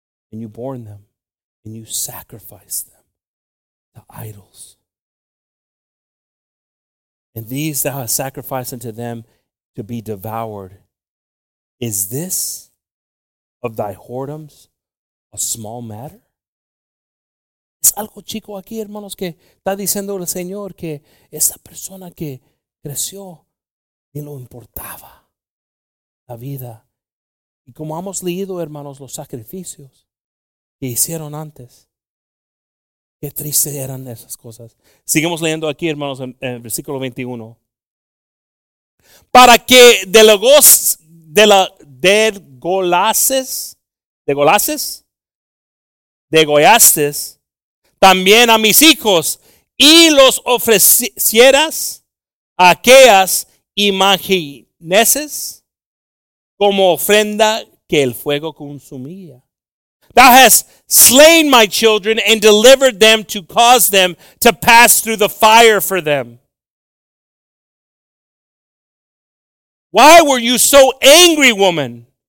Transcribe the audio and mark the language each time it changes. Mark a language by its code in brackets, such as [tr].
[en] And you born them, and you sacrificed them to idols. And these thou hast sacrificed unto them to be devoured. Is this of thy whoredoms a small matter? [es] Es algo chico aquí, hermanos, que está diciendo el Señor que esa persona que creció ni lo importaba la vida. Y como hemos leído, hermanos, los sacrificios que hicieron antes, qué triste eran esas cosas. Sigamos leyendo aquí, hermanos, en versículo 21. Para que degollases también a mis hijos y los ofrecieras a aquellas imagineses como ofrenda que el fuego consumía. [en] Thou hast slain my children and delivered them to cause them to pass through the fire for them. Why were you so angry, woman?